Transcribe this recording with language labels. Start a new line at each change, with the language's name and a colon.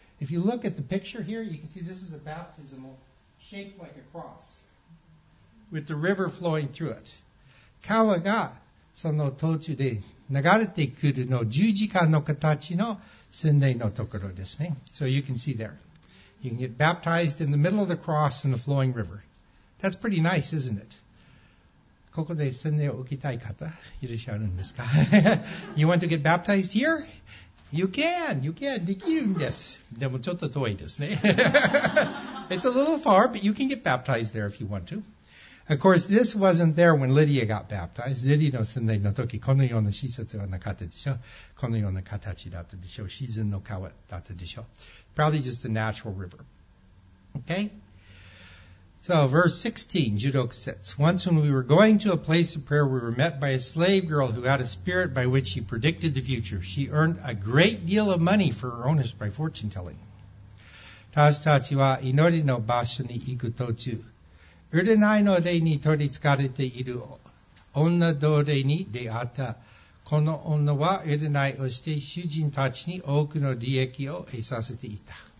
English: If you look at the picture here, you can see this is a baptismal shaped like a cross with the river flowing through it.
Japanese: 川がその途中で流れてくるの十字架の形の洗礼のところですね。
English: So you can see there. You can get baptized in the middle of the cross in the flowing river. That's pretty nice, isn't it?
Japanese: ここで洗礼を受けたい方、いらっしゃるんですか?
English: You want to get baptized here? You can,
Japanese: できるんです。でもちょっと遠いですね。
English: It's a little far, but you can get baptized there if you want to. Of course, this wasn't there when Lydia got baptized.
Japanese: Lydia の洗礼の時、このような施設はなかったでしょう。このような形だったでしょう。自然の川だったでしょう。
English: Probably just a natural river. Okay? So, verse 16, 16 says, Once when we were going to a place of prayer, we were met by a slave girl who had a spirit by which she predicted the future. She earned a great deal of money for her owners by fortune telling.
Japanese: 私たちは祈りの場所に行く途中、占いの霊に取り憑かれている女奴隷に出会った。この女は占いをして囚人たちに多くの利益を得させていた。